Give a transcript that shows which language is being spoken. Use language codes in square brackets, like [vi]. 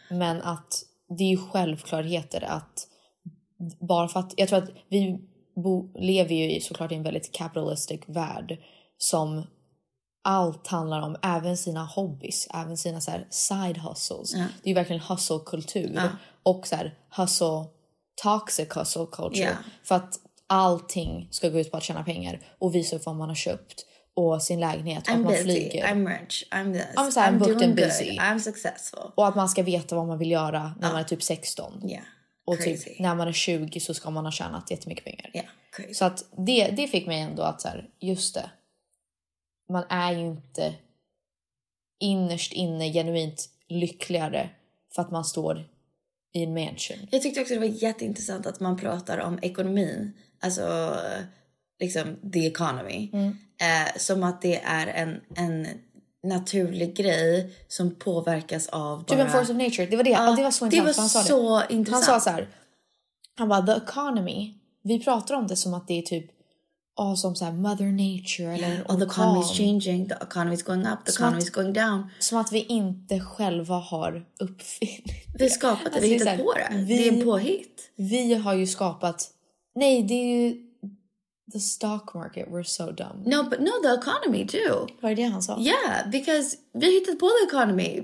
[sv] Men att det är ju självklarheter att bara för att, jag tror att vi lever ju i såklart i en väldigt capitalistic värld som allt handlar om, även sina hobbies, även sina så här side hustles. Ja. Det är ju verkligen hustle-kultur. Ja. och så här [en] hustle, toxic hustle culture. Yeah. [sv] För att allting ska gå ut på att tjäna pengar och visa upp vad man har köpt och sin lägenhet och [en] I'm [sv] att man [en] busy. [sv] Flyger. [en] I'm rich, I'm this, I'm booked and busy. Good. I'm successful. [sv] Och att man ska veta vad man vill göra när man är typ 16. [en] Yeah. [sv] Och typ, när man är 20 så ska man ha tjänat jättemycket pengar. [en] Yeah, [sv] så att det fick mig ändå att så här, just det. Man är ju inte innerst inne genuint lyckligare för att man står i en mansion. Jag tyckte också det var jätteintressant att man pratar om ekonomin. Alltså liksom [en] the economy. Mm. [sv] Som att det är en naturlig grej som påverkas av bara... Typ en [en] force of nature, [sv] det var det. Ja, det var så intressant. Det var så intressant. Han sa så här, han bara, [en] the economy, [sv] vi pratar om det som att det är typ som så här [en] mother nature [sv] eller [en] yeah. Oh, the economy is changing, the economy is going up, the economy is going down. [sv] Som att vi inte själva har uppfinnit det. Vi skapat det, alltså, vi hittat här, på det. Det är en påhitt. Vi har ju skapat... Nej, det är ju... [en] The stock market, we're so dumb. No, but no, the economy too. [sv] Vad är det han sa? [en] Yeah, because [sv] vi hittat på [en] the economy.